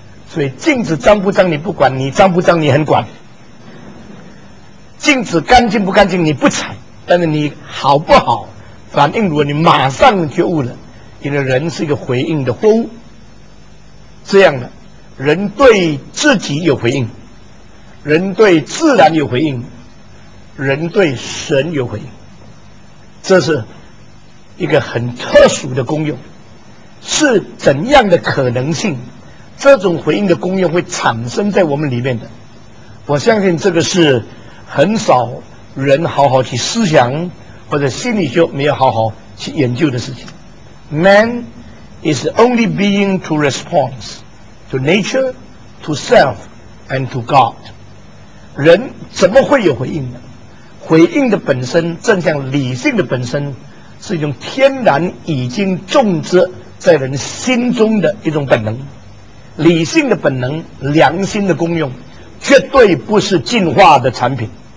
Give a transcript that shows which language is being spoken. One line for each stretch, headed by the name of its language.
Chinese: 所以镜子脏不脏你不管，你脏不脏你很管，镜子干净不干净你不睬，但是你好不好反应，如果你马上觉悟了，因为人是一个回应的活物，这样的人对自己有回应，人对自然有回应，人对神有回应，这是一个很特殊的功用。是怎样的可能性这种回应的功用会产生在我们里面的，我相信这个是很少人好好去思想，或者心理学没有好好去研究的事情。
English: Man is the only being to respond to nature, to self and to God。
Chinese: 人怎么会有回应呢？回应的本身，正像理性的本身，是一种天然已经种植在人心中的一种本能。理性的本能，良心的功用，绝对不是进化的产品。